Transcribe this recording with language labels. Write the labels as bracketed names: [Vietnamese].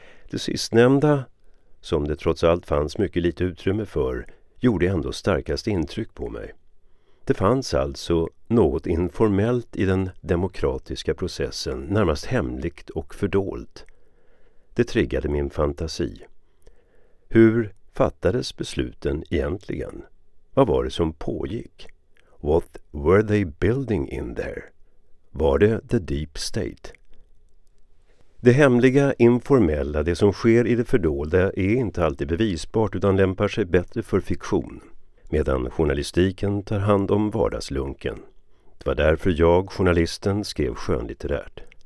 [Swedish] Det sistnämnda, som det trots allt fanns mycket lite utrymme för, gjorde ändå starkast intryck på mig. Det fanns alltså något informellt i den demokratiska processen, närmast hemligt och fördolt. Det triggade min fantasi. Hur fattades besluten egentligen? Vad var det som pågick? [English] What were they building in there? [Swedish] Var det [English] the deep state? [Swedish] Det hemliga, informella, det som sker i det fördolda är inte alltid bevisbart utan lämpar sig bättre för fiktion. Medan journalistiken tar hand om vardagslunken. Det var därför jag, journalisten, skrev skönlitterärt.